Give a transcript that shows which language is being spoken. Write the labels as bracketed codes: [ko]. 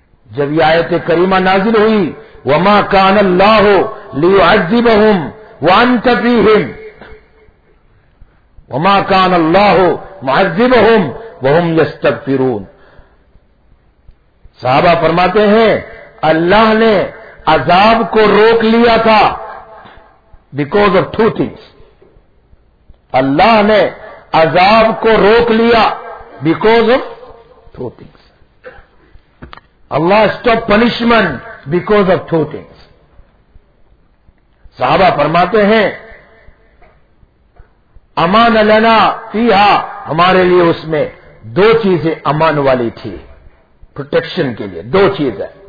[ur] جب یہ آیت کریمہ نازل ہوئی، [ar] وما کان اللہ لیعذبہم وانت فیہم وما کان اللہ معذبہم وہم یستغفرون، [ur] صحابہ فرماتے ہیں اللہ نے عذاب کو روک لیا تھا [en] because of two things. [ur] اللہ نے عذاب کو روک لیا [en] because of two things. اللہ stop punishment because of two things. [ur] صحابہ فرماتے ہیں [ar] امان لنا فیہا، [ur] ہمارے لیے اس میں دو چیزیں امان والی تھی، پروٹیکشن کے لیے دو چیزیں.